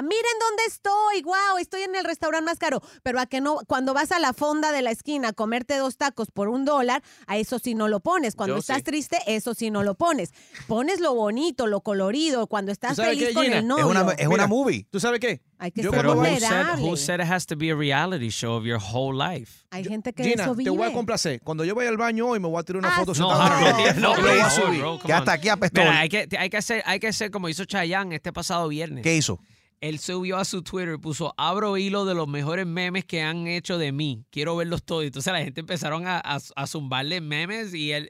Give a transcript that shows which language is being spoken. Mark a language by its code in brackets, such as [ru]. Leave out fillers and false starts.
[es] ¡Miren dónde estoy! ¡Wow! Estoy en el restaurante más caro. Pero a que no, cuando vas a la fonda de la esquina a comerte dos tacos por $1, a eso sí no lo pones. Cuando estás triste, eso sí no lo pones. Pones lo bonito, lo colorido, cuando estás feliz qué, con el novio. Es una movie. ¿Tú sabes qué? Hay que ser vulnerable. [en] Who said it has to be a reality show of your whole life? [es] Hay gente que Gina, eso vive. Gina, te voy a complacer. Cuando yo vaya al baño hoy, me voy a tirar una foto. Que hasta aquí apestó. Mira, hay que hacer como hizo Chayanne este pasado viernes. ¿Qué hizo? Él subió a su Twitter y puso, abro hilo de los mejores memes que han hecho de mí. Quiero verlos todos. Entonces la gente empezaron a zumbarle memes y él...